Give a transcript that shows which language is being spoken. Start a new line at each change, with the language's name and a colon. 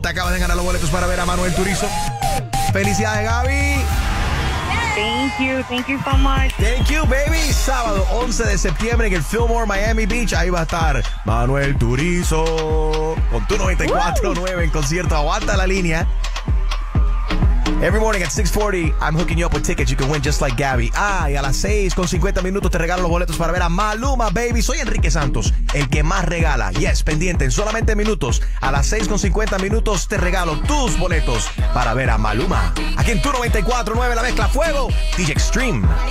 Spanish: Te acabas de ganar los boletos para ver a Manuel Turizo. Felicidades, Gaby.
English: Thank you so much. Thank you, baby.
Spanish: Sábado 11 de septiembre en el Fillmore Miami Beach. Ahí va a estar Manuel Turizo con tu 94.9 en concierto. Aguanta la línea.
English: Every morning at 6:40, I'm hooking you up with tickets you can win just like Gaby.
Spanish: Y a las 6:50 te regalo los boletos para ver a Maluma, baby. Soy Enrique Santos, el que más regala. Yes, pendiente, en solamente minutos, a las 6:50 te regalo tus boletos para ver a Maluma. Aquí en tu 94.9, la mezcla fuego, DJ Extreme.